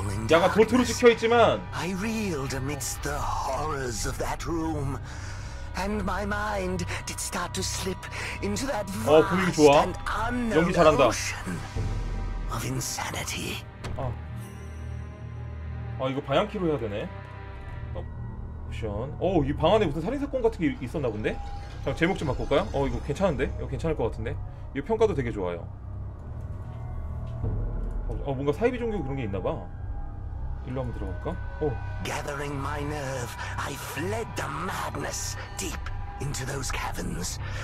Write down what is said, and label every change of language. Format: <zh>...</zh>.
<ko>야가 돌투로 찍혀 있지만</ko> <en>I reeled amidst the horrors of that room and my mind did start to slip into that vast and unknown ocean of insanity.</en> <ko>아, 이거 방향키로 해야 되네. 옵션. 어, 이 방 안에 무슨 살인 사건 같은 게 있었나 본데. 자, 제목 좀 바꿀까요? 어, 이거 괜찮은데? 이거 괜찮을 것 같은데. 이거 평가도 되게 좋아요. 어, 뭔가 사이비 종교 그런 게 있나 봐. 일로 한번 들어갈까? 오.</ko> <en>Gathering my nerve, I fled the madness deep into those caverns.</en>